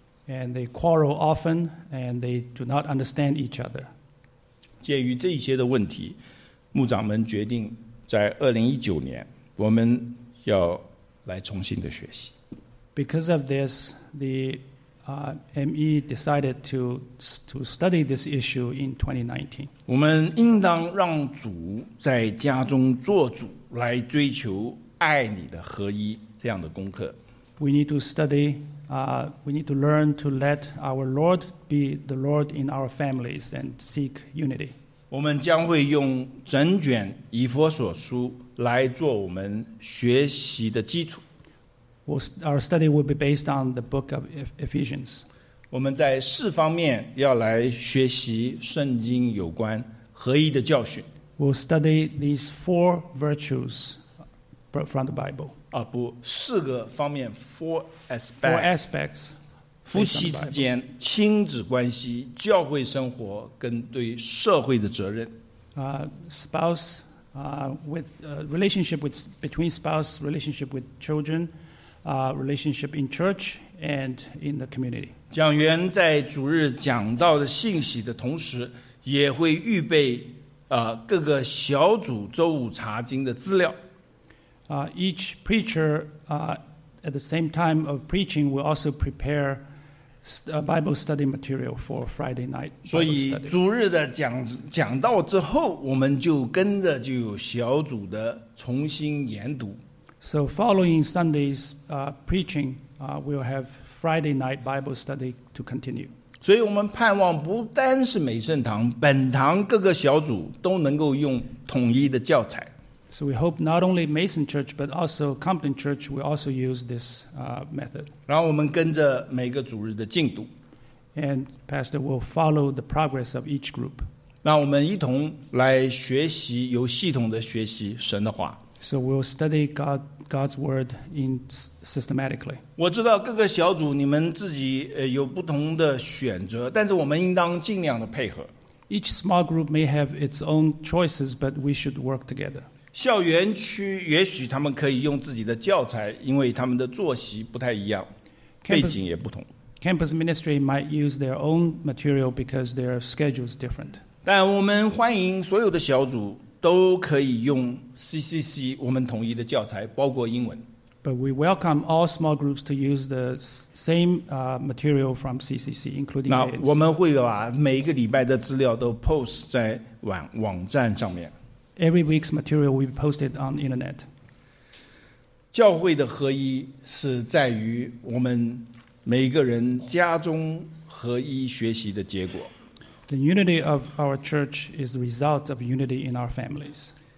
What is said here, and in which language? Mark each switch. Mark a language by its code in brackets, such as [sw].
[en] And they quarrel often, and they do not understand each other. [zh] 鉴于这些的问题，牧长们决定在2019年我们要来重新的学习。 [en] Because of this, the ME decided to study this issue in 2019. [zh] 我们应当让主在家中做主，来追求爱你的合一这样的功课。 [en] We need to study, we need to learn to let our Lord be the Lord in our families and seek unity. [zh] 我们将会用整卷以弗所书。来做我们学习的基础。 [en] Our study will be based on the book of Ephesians. [zh] 我们在四方面要来学习圣经有关合一的教训。 [en] We'll study these four virtues from the Bible. [zh] 啊，不，四个方面 ， [en] four aspects. Four aspects. [zh] 夫妻之间、亲子关系、教会生活跟对社会的责任。 [en] Spouse. With relationship with between spouse, relationship with children, relationship in church and in the community. [zh] 讲员在主日讲到的信息的同时，也会预备各个小组周五查经的资料。 [en] Each preacher, at the same time of preaching, will also prepare Bible study material for Friday night. [zh] 所以主日的讲到之后，我们就跟着就有小组的重新研读。 [en] So following Sunday's preaching, we'll have Friday night Bible study to continue. [zh] 所以我们盼望不单是美圣堂，本堂各个小组都能够用统一的教材。 [en] So we hope not only Mason Church, but also Compton Church will also use this method. [zh] 然后我们跟着每个主日的进度。 [en] And Pastor will follow the progress of each group. [zh] 那我们一同来学习，有系统的学习神的话。 [en] So we'll study God's word in systematically. [zh] 我知道各个小组你们自己有不同的选择，但是我们应当尽量的配合。 [en] Each small group may have its own choices, but we should work together. [zh] 校园区也许他们可以用自己的教材，因为他们的作息不太一样， [en] campus, [zh] 背景也不同。 [en] Campus ministry might use their own material because their schedule is different. [zh] 但我们欢迎所有的小组都可以用 CCC 我们统一的教材，包括英文。 [en] But we welcome all small groups to use the same material from CCC, including. [zh] 那我们会把每一个礼拜的资料都 post 在网站上面。 [en] Every week's material will be posted on the internet. [zh] 教会的合一是在于我们每个人家中合一学习的结果。 [en] The unity of our church is the result of unity in our families.